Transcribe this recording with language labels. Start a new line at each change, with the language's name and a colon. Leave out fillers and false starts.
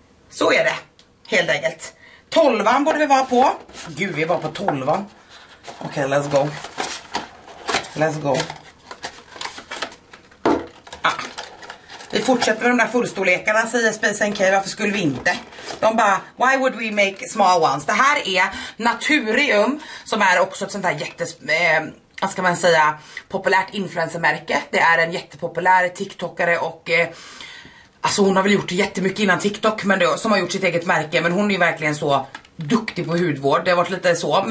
Swedish: Så är det, helt enkelt. 12:an borde vi vara på. Gud, vi är bara på 12:an. Okej,
English: let's go. Let's go.
Swedish: Vi fortsätter med de där fullstorlekarna, säger Space NK, varför skulle vi inte? De bara,
English: why would we make small ones?
Swedish: Det här är Naturium, som är också ett sånt här vad ska man säga, populärt influencermärke. Det är en jättepopulär tiktokare och alltså hon har väl gjort jättemycket innan TikTok, men det, som har gjort sitt eget märke, men hon är verkligen så duktig på hudvård, det har varit lite så.